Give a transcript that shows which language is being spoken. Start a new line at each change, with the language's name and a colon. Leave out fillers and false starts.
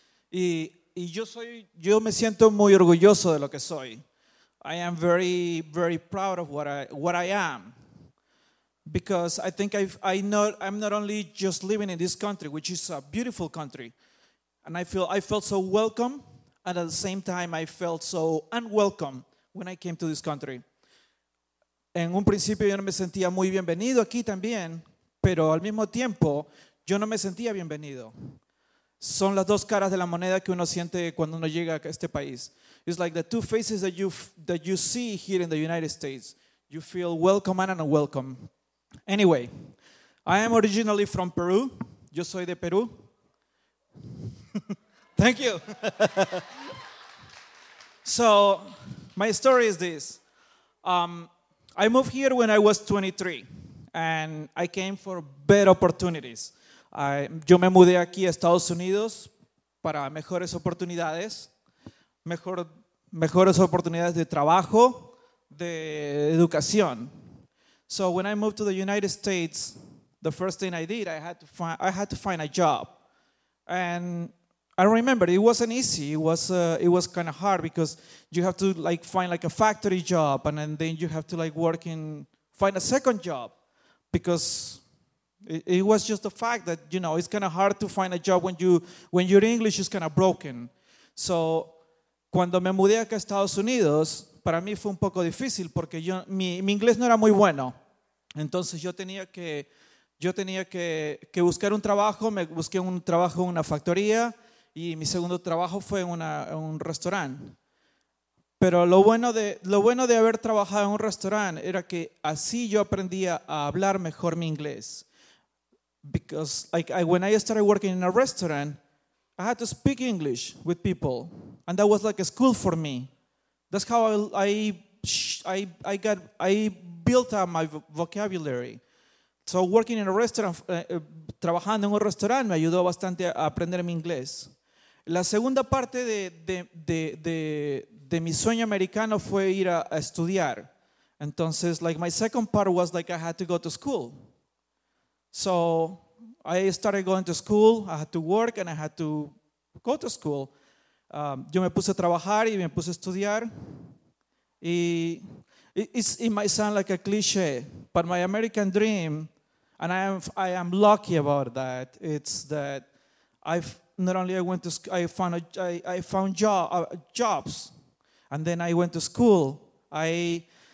Spanish: Yo me siento muy orgulloso de lo que soy.
English: I am very, very proud of what I am, because I think I'm not only just living in this country, which is a beautiful country, and I felt so welcome, and at the same time I felt so unwelcome when I came to this country.
Spanish: En un principio yo no me sentía muy bienvenido aquí también, pero al mismo tiempo yo no me sentía bienvenido. Son las dos caras de la moneda que uno siente cuando uno llega a este país.
English: It's like the two faces that you see here in the United States. You feel welcome and unwelcome. Anyway, I am originally from Peru.
Spanish: Yo soy de Peru.
English: Thank you. So, my story is this. I moved here when I was 23, and I came for better opportunities.
Spanish: Yo me mudé aquí a Estados Unidos para mejores oportunidades, mejores oportunidades de trabajo, de educación.
English: So when I moved to the United States, the first thing I did, I had to find a job. And I remember it wasn't easy. It was kind of hard, because you have to like find like a factory job, and then you have to like find a second job, because it was just the fact that, you know, it's kind of hard to find a job when your English is kind of broken.
Spanish: So cuando me mudé acá a Estados Unidos, para mí fue un poco difícil porque mi inglés no era muy bueno. Entonces yo tenía que buscar un trabajo. Me busqué un trabajo en una factoría y mi segundo trabajo fue en un restaurante. Pero lo bueno de haber trabajado en un restaurante era que así yo aprendía a hablar mejor mi inglés.
English: Because like when I started working in a restaurant, I had to speak English with people, and that was like a school for me. That's how I built up my vocabulary. So working in a restaurant,
Spanish: trabajando en un restaurante, me ayudó bastante a aprender mi inglés. La segunda parte de mi sueño americano fue ir a estudiar.
English: Entonces, like my second part was like I had to go to school. So I started going to school. I had to work and I had to go to school.
Spanish: Yo me puse a trabajar y me puse a estudiar.
English: Y it might sound like a cliche, but my American dream, and I am lucky about that. It's that I found jobs, and then I went to school. I